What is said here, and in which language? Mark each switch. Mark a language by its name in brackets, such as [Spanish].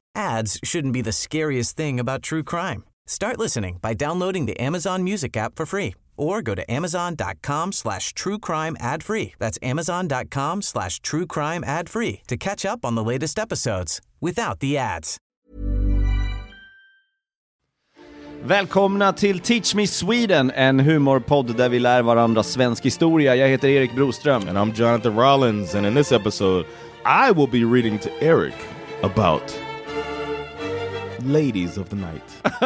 [English] Ads shouldn't be the scariest thing about true crime. Start listening by downloading the Amazon Music app for free or go to amazon.com/truecrimeadfree. That's amazon.com/truecrimeadfree to catch up on the latest episodes without the ads. [Swedish] Välkomna till Teach Me Sweden, en humorpodd där vi lär varandra svensk historia. Jag heter Erik Broström. [English] And I'm Jonathan Rollins, and in this episode I will be reading to Eric about ladies of the night.